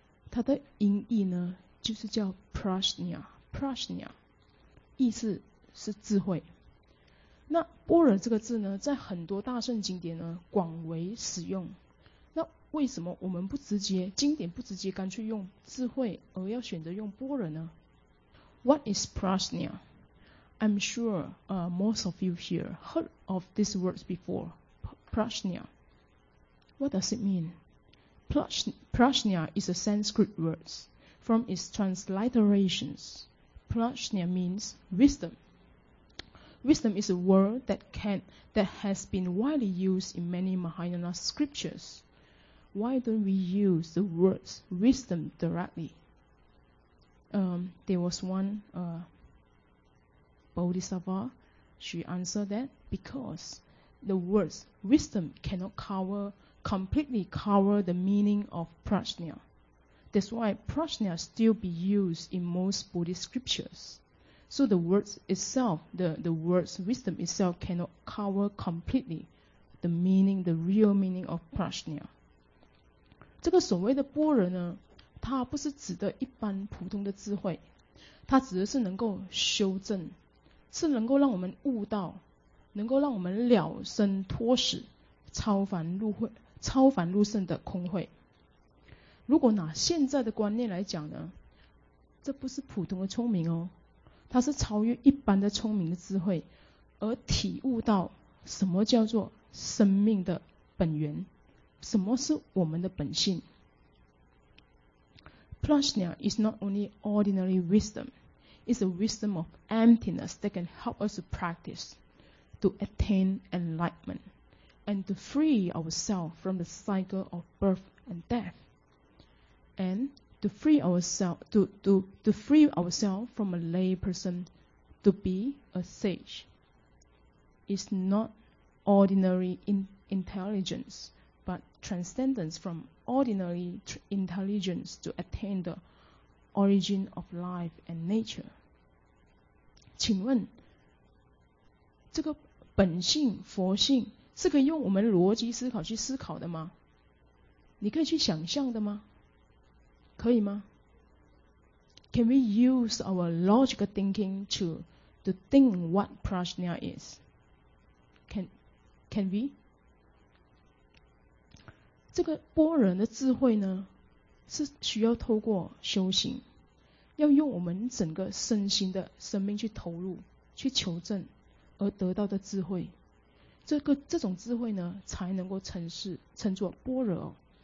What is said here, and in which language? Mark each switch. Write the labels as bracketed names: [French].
[Chinese] 它的音译呢，就是叫 prajna， prajna 意思是智慧。那般若这个字呢，在很多大圣经典呢广为使用。那为什么我们不直接经典不直接干脆用智慧，而要选择用般若呢？ [English] What is prajna? I'm sure most of you here heard of these words before. Prajna. What does it mean? Prajna is a Sanskrit word. From its transliterations, prajna means wisdom. Wisdom is a word that has been widely used in many Mahayana scriptures. Why don't we use the word wisdom directly? There was one Bodhisattva, she answered that because the word wisdom cannot completely cover the meaning of prajna. That's why prajna still be used in most Buddhist scriptures. So the word itself, the word wisdom itself cannot cover completely the meaning, the real meaning of prajna. [Chinese] 这个所谓的般若呢，它不是指的一般普通的智慧，它指的是能够修正，是能够让我们悟道，能够让我们了生脱死，超凡入圣的空慧。如果拿现在的观念来讲呢，这不是普通的聪明哦，它是超越一般的聪明的智慧，而体悟到什么叫做生命的本源，什么是我们的本性。 [English] Prajna is not only ordinary wisdom, it's a wisdom of emptiness that can help us to practice to attain enlightenment and to free ourselves from the cycle of birth and death and to free ourselves from a lay person to be a sage. It's not ordinary intelligence,but transcendence from ordinary intelligence to attain the origin of life and nature. [Chinese] 请问这个本性佛性是可以用我们逻辑思考去思考的吗？你可以去想象的吗？可以吗？ [English] Can we use our logical thinking to think what prajna is? Can we? [Chinese] 这个般若的智慧呢，是需要透过修行，要用我们整个身心的生命去投入、去求证而得到的智慧。这种智慧呢，才能够称作般若。